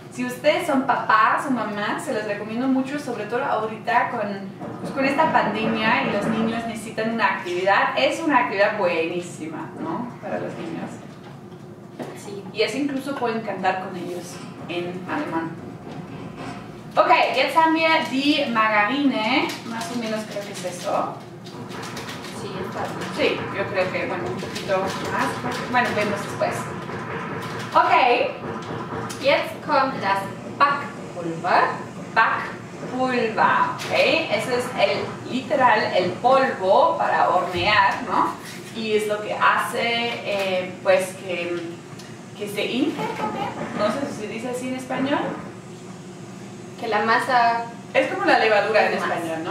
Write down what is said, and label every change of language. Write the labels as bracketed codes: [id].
[es] Si ustedes son papás o mamás, se los recomiendo mucho, sobre todo ahorita con, pues con esta pandemia y los niños necesitan una actividad. Es una actividad buenísima, ¿no? Para los niños. Sí. Y es incluso pueden cantar con ellos en alemán. [de] Ok, jetzt haben wir die Margarine. [es] Más o menos creo que es eso. Sí, está bien. Sí, yo creo que, bueno, un poquito más. Bueno, vemos después. Ok, [de] jetzt kommt das Backpulver. Backpulver, ok. [es] Eso es el literal, el polvo para hornear, ¿no? Y es lo que hace, pues, que se infle también. No sé si se dice así en español. Que la masa. Es como la levadura en español, ¿no?